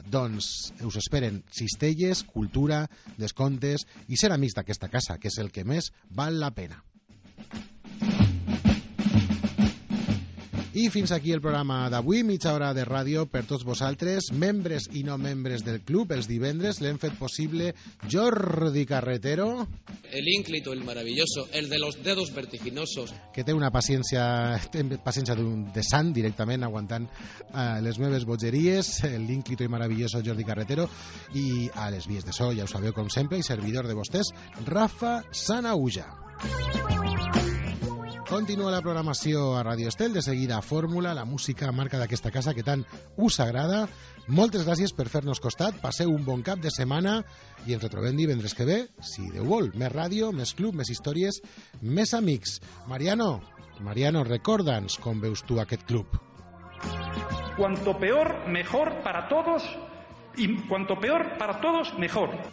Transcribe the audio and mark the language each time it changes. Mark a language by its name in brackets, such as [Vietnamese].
[Catalan] Doncs us esperen cistelles, cultura, descomptes i ser amics d'aquesta casa, que és el que més val la pena. I fins aquí el programa d'avui, mitja hora de ràdio per tots vosaltres, membres i no membres del club. Els divendres l'hem fet possible Jordi Carretero. [Spanish] El ínclito, el maravilloso, el de los dedos vertiginosos. [Catalan] Que té una paciència, d'un de sant directament, aguantant les meves bogeries. El ínclito i maravilloso Jordi Carretero. I a les vies de so, ja ho sabeu com sempre, i servidor de vostès, Rafa Sanahuja. Continua la programació a Radio Estel, de seguida Fórmula, la música marca d'aquesta casa que tant us agrada. Moltes gràcies per fer-nos costat, passeu un bon cap de setmana i ens retrobem divendres que ve, si Déu vol. Més ràdio, més club, més històries, més amics. Mariano, recorda'ns com veus tu aquest club. [Spanish] Cuanto peor, mejor para todos, y cuanto peor para todos, mejor.